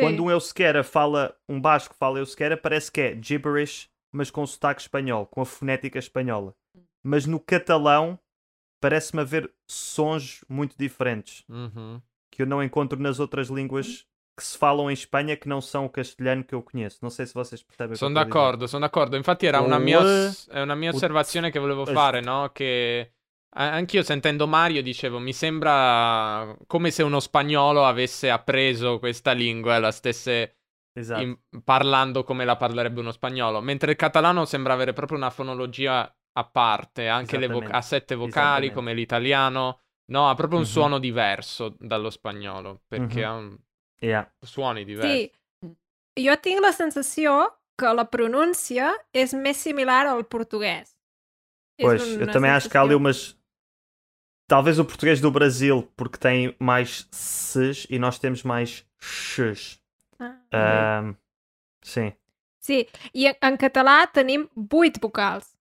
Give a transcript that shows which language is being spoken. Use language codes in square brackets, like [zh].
[pt] Quando um euskera fala, um basco fala euskera, parece que é gibberish, mas com sotaque espanhol, com a fonética espanhola. Mas no catalão, parece-me haver sons muito diferentes, que eu não encontro nas outras línguas que se falam em Espanha, que não são o castelhano que eu conheço. Não sei se vocês percebem. [it] Sono d'accordo. Infatti era una mia osservazione che volevo fare, no? Che... Anch'io sentendo Mario dicevo, mi sembra come se uno spagnolo avesse appreso questa lingua e la stesse parlando come la parlerebbe uno spagnolo, mentre il catalano sembra avere proprio una fonologia a parte, anche ha sette vocali come l'italiano, no, ha proprio un suono diverso dallo spagnolo, perché ha suoni diversi. Sì, io tengo la sensazione che la pronuncia è più simile al portoghese. [pt] Pois, eu também acho que há ali umas... Talvez o português do Brasil, porque tem mais s's e nós temos mais x's. Ah, sim. Sim, e [ca] em català tenim 8 vocals.